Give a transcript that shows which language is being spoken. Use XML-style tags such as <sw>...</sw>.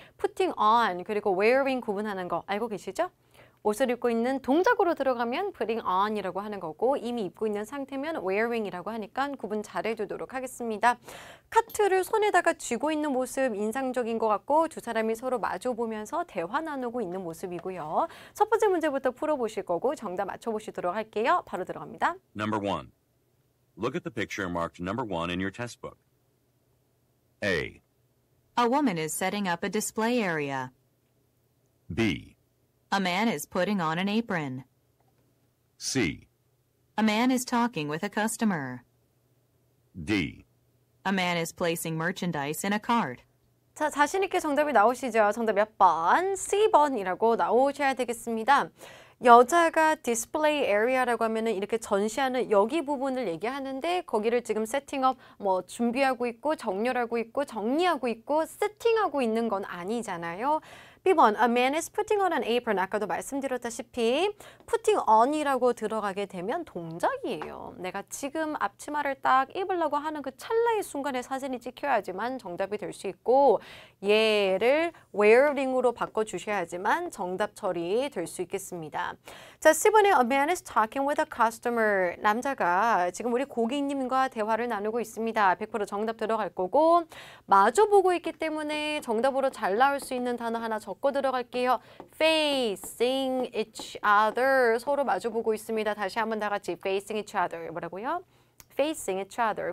<ko>Putting on 그리고 wearing 구분하는 거 알고 계시죠? 옷을 입고 있는 동작으로 들어가면 putting on이라고 하는 거고 이미 입고 있는 상태면 wearing이라고 하니까 구분 잘 해주도록 하겠습니다. 카트를 손에다가 쥐고 있는 모습 인상적인 것 같고 두 사람이 서로 마주 보면서 대화 나누고 있는 모습이고요. 첫 번째 문제부터 풀어보실 거고 정답 맞춰보시도록 할게요. 바로 들어갑니다.</ko> <en>Number one. Look at the picture marked number one in your test book. A. A woman is setting up a display area. B. A man is putting on an apron. C. A man is talking with a customer. D. A man is placing merchandise in a cart.</en> <ko>자, 자신 있게 정답이 나오시죠? 정답 몇 번? C번이라고 나오셔야 되겠습니다. 여자가 display area라고 하면은 이렇게 전시하는 여기 부분을 얘기하는데 거기를 지금 setting up 뭐 준비하고 있고 정렬하고 있고 정리하고 있고 setting하고 있는 건 아니잖아요. B번,</ko> <en>a man is putting on an apron.</en> <ko>아까도 말씀드렸다시피 putting on이라고 들어가게 되면 동작이에요. 내가 지금 앞치마를 딱 입으려고 하는 그 찰나의 순간에 사진이 찍혀야지만 정답이 될 수 있고 얘를 wearing으로 바꿔주셔야지만 정답 처리 될 수 있겠습니다.</ko> <en>자, C번에 a man is talking with a customer.</en> <ko>남자가 지금 우리 고객님과 대화를 나누고 있습니다. 100% 정답 들어갈 거고 마주보고 있기 때문에 정답으로 잘 나올 수 있는 단어 하나 적고 들어갈게요.</ko> <en>Facing each other.</en> <ko>서로 마주보고 있습니다. 다시 한번 다 같이</ko> <en>Facing each other.</en> <ko>뭐라고요?</ko> <en>Facing each other.</en>